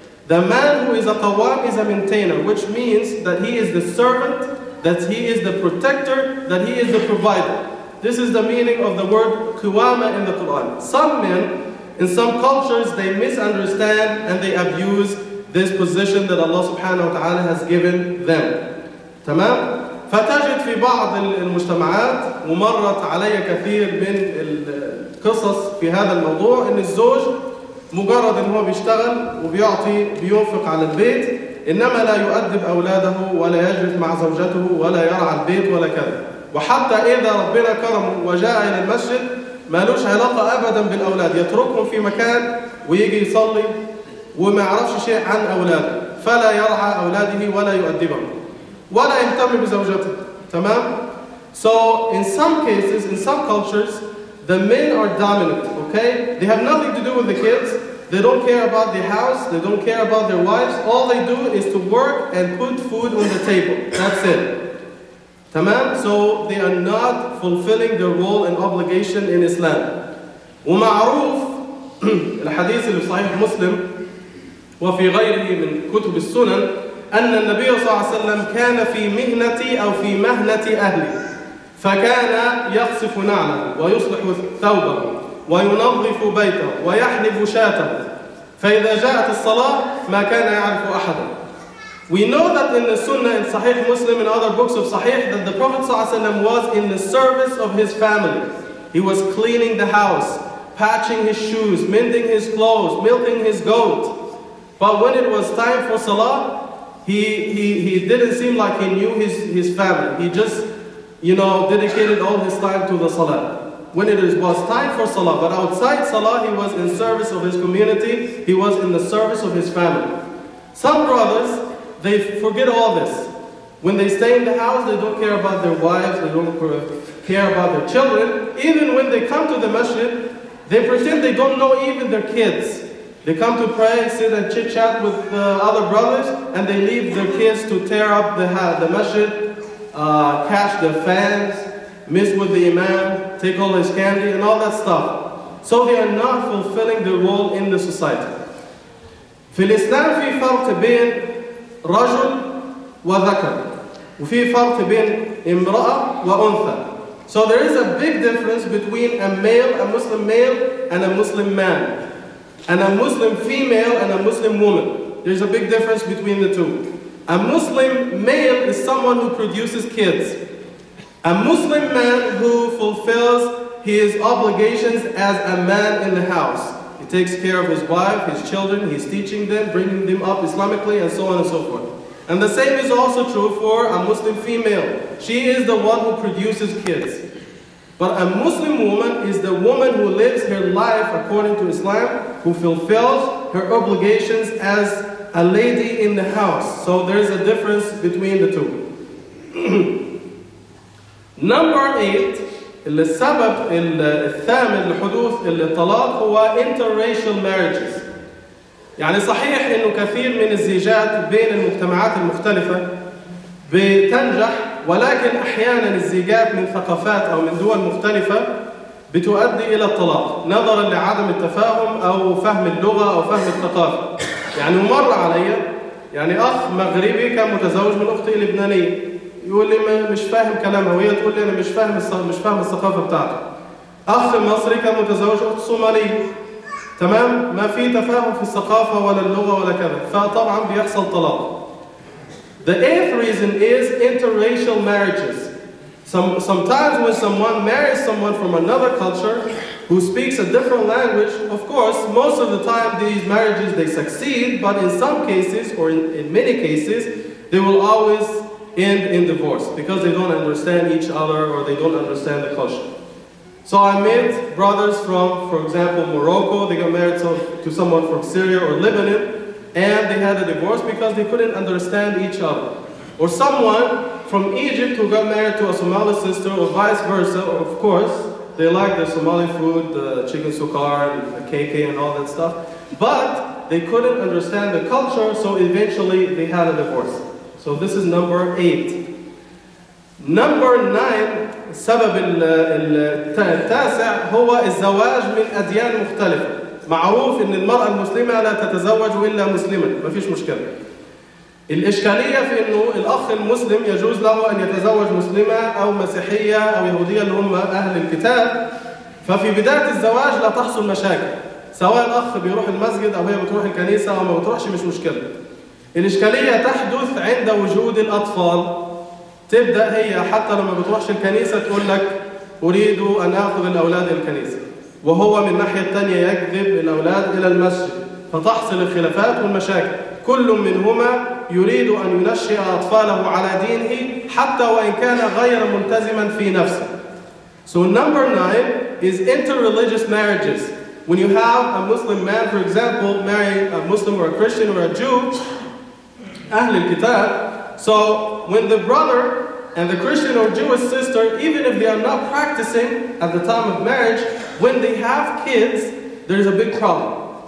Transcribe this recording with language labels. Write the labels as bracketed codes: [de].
[en] The man who is a qawam is a maintainer, which means that he is the servant, that he is the protector, that he is the provider. This is the meaning of the word qawama in the Quran. Some men, in some cultures, they misunderstand and they abuse this position that Allah subhanahu wa ta'ala has given them. [ar] تمام؟ فتجد في بعض المجتمعات ومرت علي كثير من القصص في هذا الموضوع إن الزوج مجرد إن هو بيشتغل وبيعطي بينفق على البيت إنما لا يؤدب أولاده ولا يجلس مع زوجته ولا يرعى البيت ولا كذا. وحتى إذا ربنا كرم وجاء إلى المسجد ما لوش علاقة أبدا بالأولاد يتركهم في مكان ويجي يصلي وما يعرفش شيء عن أولاده فلا يرعى أولاده ولا يؤدبهم. ولا يهتم بزوجته. تمام؟ [en] So in some cases, in some cultures, the men are dominant, okay? They have nothing to do with the kids. They don't care about the house. They don't care about their wives. All they do is to work and put food on the table. That's it. [ar] تمام؟ [en] So they are not fulfilling their role and obligation in Islam. [ar] ومعروف الحديث اللي صحيح مسلم وفي غيره من كتب السنن أن النبي صلى الله عليه وسلم كان في مهنتي أو في مهنة أهلي فكان يقصف نعله ويصلح ثوبه وينظف بيته ويحلب شاته فإذا جاءت الصلاة ما كان يعرف أحدا. [en] We know that in the Sunnah, in Sahih Muslim, in other books of Sahih, that the Prophet ﷺ was in the service of his family. He was cleaning the house, patching his shoes, mending his clothes, milking his goat. But when it was time for Salah, he didn't seem like he knew his family. He just, you know, dedicated all his time to the Salah. When it was time for Salah, but outside Salah, he was in service of his community. He was in the service of his family. Some brothers, they forget all this. When they stay in the house, they don't care about their wives, they don't care about their children. Even when they come to the masjid, they pretend they don't know even their kids. They come to pray, sit and chit-chat with the other brothers, and they leave their kids to tear up the masjid, catch the fans, mess with the imam, take all his candy, and all that stuff. So they are not fulfilling their role in the society. [ar] في الإسلام في فرق بين رجل وذكر وفي فرق بين امرأة وأنثى. [en] So there is a big difference between a male, a Muslim male, and a Muslim man. And a Muslim female and a Muslim woman. There's a big difference between the two. A Muslim male is someone who produces kids. A Muslim man who fulfills his obligations as a man in the house. He takes care of his wife, his children, he's teaching them, bringing them up Islamically, and so on and so forth. And the same is also true for a Muslim female. She is the one who produces kids. But a Muslim woman is the woman who lives her life according to Islam, who fulfills her obligations as a lady in the house. So there is a difference between the two. Number 8, [ar] اللي السبب الثامن لحدوث الطلاق هو [en] interracial marriages. [ar] يعني صحيح انه كثير من الزيجات بين المجتمعات المختلفه بتنجح، ولكن احيانا الزيجات من ثقافات او من دول مختلفه بتؤدي الى الطلاق نظرا لعدم التفاهم او فهم اللغه او فهم الثقافه. يعني مر علي يعني اخ مغربي كان متزوج من اختي لبنانيه، يقول لي مش فاهم كلامها، وهي تقول لي انا مش فاهم الثقافه بتاعتها. اخ مصري كان متزوج اخت صوماليه، تمام، ما في تفاهم في الثقافه ولا اللغه ولا كذا، فطبعا بيحصل طلاق. [en] The eighth reason is interracial marriages. Sometimes when someone marries someone from another culture who speaks a different language, of course, most of the time these marriages, they succeed, but in some cases, or in many cases, they will always end in divorce because they don't understand each other or they don't understand the culture. So I met brothers from, for example, Morocco. They got married to someone from Syria or Lebanon, and they had a divorce because they couldn't understand each other. Or someone from Egypt who got married to a Somali sister, or vice versa. Of course, they like the Somali food, the chicken sukkar and the KK and all that stuff, but they couldn't understand the culture, so eventually they had a divorce. So this is number 8. Number 9, [ar] سبب التاسع هو الزواج من أديان مختلفة. معروف ان المرأة المسلمة لا تتزوج إلا مسلما، ما فيش مشكلة. الإشكالية في انه الأخ المسلم يجوز له ان يتزوج مسلمة او مسيحية او يهودية اللي هم اهل الكتاب، ففي بداية الزواج لا تحصل مشاكل، سواء الأخ بيروح المسجد او هي بتروح الكنيسة او ما بتروحش، مش مشكلة. الإشكالية تحدث عند وجود الأطفال. تبدأ هي حتى لما بتروحش الكنيسة تقول لك أريد أن أخذ الأولاد إلى الكنيسة، وهو من ناحية تانية يكذب الأولاد إلى المسجد، فتحصل الخلافات والمشاكل. كل منهما يريد أن ينشئ أطفاله على دينه حتى وإن كان غير ملتزما في نفسه. [en] So number 9 is interreligious marriages. When you have a Muslim man, for example, marry a Muslim or a Christian or a Jew, [ar] أهل الكتاب، [en] So when the brother and the Christian or Jewish sister, even if they are not practicing at the time of marriage, when they have kids, there is a big problem.